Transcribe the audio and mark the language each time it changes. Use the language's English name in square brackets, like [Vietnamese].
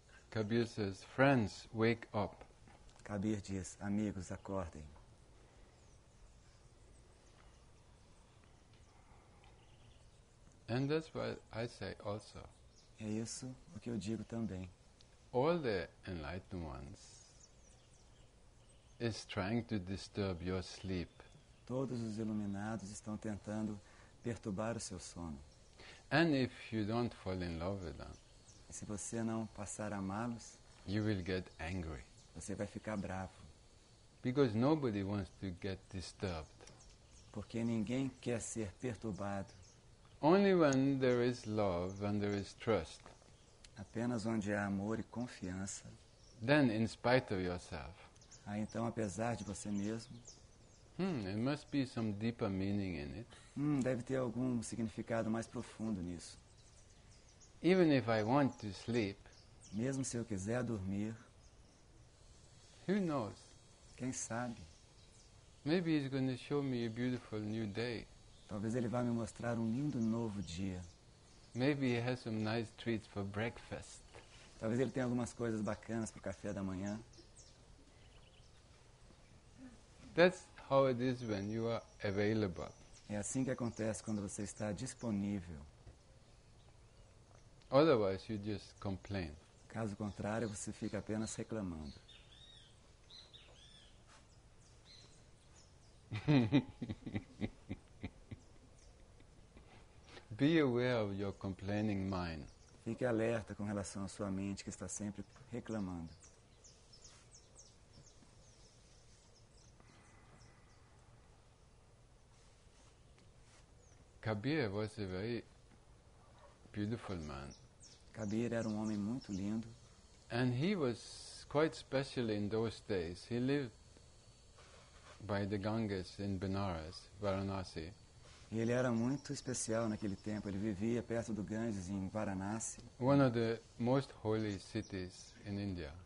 [English] Kabir says, friends, wake up. [Portuguese] Kabir diz, amigos, acordem. [English] And that's what I say also. [Portuguese] É isso o que eu digo também. [English] All the enlightened ones is trying to disturb your sleep. [Portuguese] Todos os iluminados estão tentando perturbar o seu sono. [English] And if you don't fall in love with them, [Portuguese] e se você não passar a amá-los, [English] you will get angry. [Portuguese] Você vai ficar bravo. [English] Because nobody wants to get disturbed. [Portuguese] Porque ninguém quer ser perturbado. [English] Only when there is love and there is trust. [Portuguese] Apenas onde há amor e confiança. [English] Then, in spite of yourself. [Portuguese] Aí então, apesar de você mesmo. [English] There must be some deeper meaning in it. [Portuguese] Deve ter algum significado mais profundo nisso. [English] Even if I want to sleep. [Portuguese] Mesmo se eu quiser dormir. [English] Who knows? [Portuguese] Quem sabe? [English] Maybe he's going to show me a beautiful new day. [Portuguese] Talvez ele vá me mostrar um lindo novo dia. [English] Maybe he has some nice treats for breakfast. [Portuguese] Talvez ele tenha algumas coisas bacanas para o café da manhã. [English] That's how it is when you are available. [Portuguese] É assim que acontece quando você está disponível. [English] Otherwise, you just complain. [Portuguese] Caso contrário, você fica apenas reclamando. [English] Be aware of your complaining mind. [Portuguese] Fique alerta com relação à sua mente que está sempre reclamando. [English] Kabir was a very beautiful man. [Portuguese] Kabir era um homem muito lindo. [English] And he was quite special in those days. He lived by the Ganges in Benares, Varanasi. [Portuguese] E ele era muito especial naquele tempo. Ele vivia perto do Ganges, em Varanasi. [English] One of the most holy cities in India.